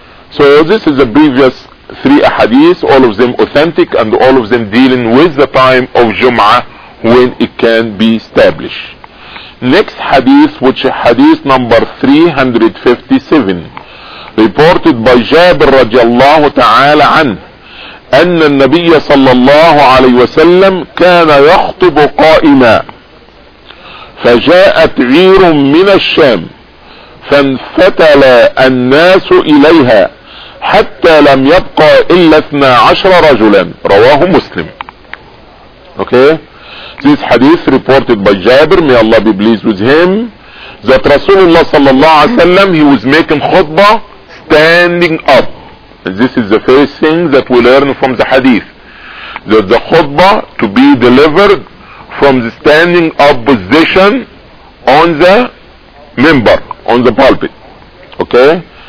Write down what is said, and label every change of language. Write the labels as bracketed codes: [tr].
[en] So this is the previous three ahadith, all of them authentic and all of them dealing with the time of Jum'ah when it can be established. Next hadith, which is hadith number 357, reported by Jabir radiallahu ta'ala anhu. [ar] أن النبي صلى الله عليه وسلم كان يخطب قائما فجاءت عير من الشام فانفتل الناس إليها حتى لم يبقى إلا 12 رجلا رواه مسلم. [en] Okay, this hadith reported by Jabir, may Allah be pleased with him, that Rasulullah صلى الله عليه وسلم, he was making khutbah standing up. This is the first thing that we learn from the hadith, that the khutbah to be delivered from the standing up position on the member, on the pulpit. Okay?